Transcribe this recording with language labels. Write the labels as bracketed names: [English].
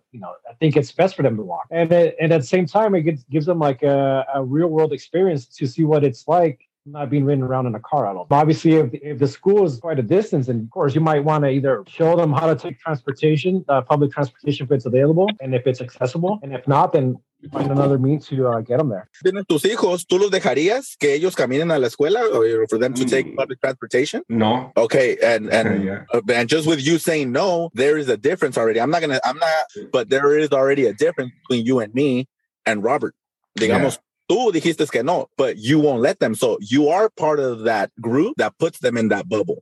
[English] You know, I think it's best for them to walk. And at the same time, it gives them like a real world experience to see what it's like not being ridden around in a car at all. But obviously, if the school is quite a distance, then of course, you might want to either show them how to take transportation, public transportation, if it's available, and if it's accessible. And if not, then find another means to get them there. [Spanish] ¿Tienen tus hijos? ¿Tú los dejarías que ellos caminen a la escuela [English] or for them to take public transportation? [Spanish] No. [English] Okay, and just with you saying no, there is a difference already. But there is already a difference between you and me and Robert. Digamos. Yeah. [Spanish] Tú dijiste que no, [English] but you won't let them. So you are part of that group that puts them in that bubble.